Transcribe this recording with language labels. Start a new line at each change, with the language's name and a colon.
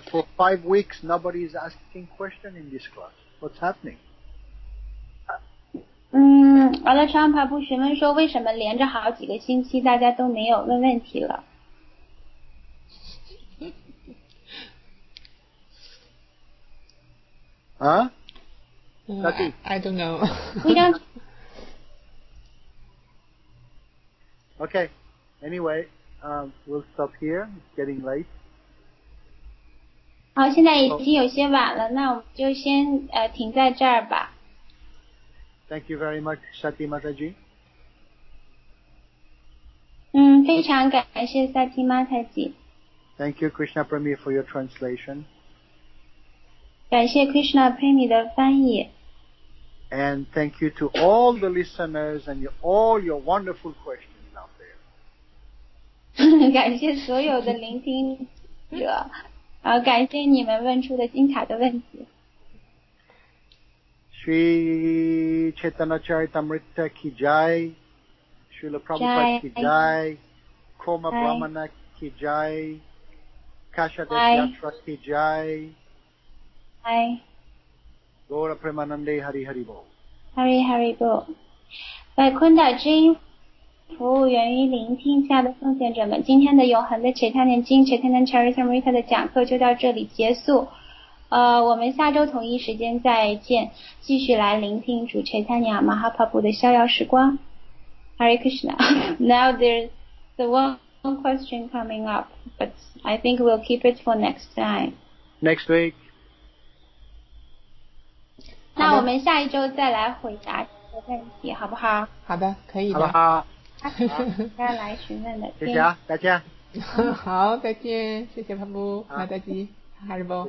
English: that for 5 weeks nobody is asking question in this class? What's happening?
Chinese: 阿拉昌帕布询问说，为什么连着好几个星期大家都没有问问题了？啊？
English: I don't know. Okay. Anyway, we'll stop here. It's getting late.
Chinese: 好，现在已经有些晚了，那我们就先停在这儿吧。
English: Thank you very much, Sati Mataji.
Chinese: 非常感谢 Sati Mataji.
English: Thank you, Krishna Premi, for your translation.
Chinese: 感谢 Krishna Premi 的翻译。
English: And thank you to all the listeners and all your wonderful questions out there.
Chinese: 感谢所有的聆听者，感谢你们问出的精彩的问题。
English: Shri Chaitanya Charitamrita Ki Jai, Srila Prabhupada Ki Jai, Koma Brahmana Ki Jai, Kashyapa Yatra Ki Jai, Gaura Premanande Hari Hari Bo.
Chinese: Hari Hari Bo. 为昆达之音服务源于聆听下的奉献者们，今天的永恒的 Chaitanya 经 Chaitanya Charitamrita 的讲课就到这里结束。我们下周同一时间再见，继续来聆听主 Chaitanya Mahaprabhu 的逍遥时光。Hare Krishna.
English: Now there's the one question coming up, but I think we'll keep it for next time. Next week.
Chinese: 那我们下一周再来回答这个问题，好不好？好的，可以的。好不好？大家来询问的。谢谢啊，再见。好，再见，谢谢帕布，马达基，哈日波。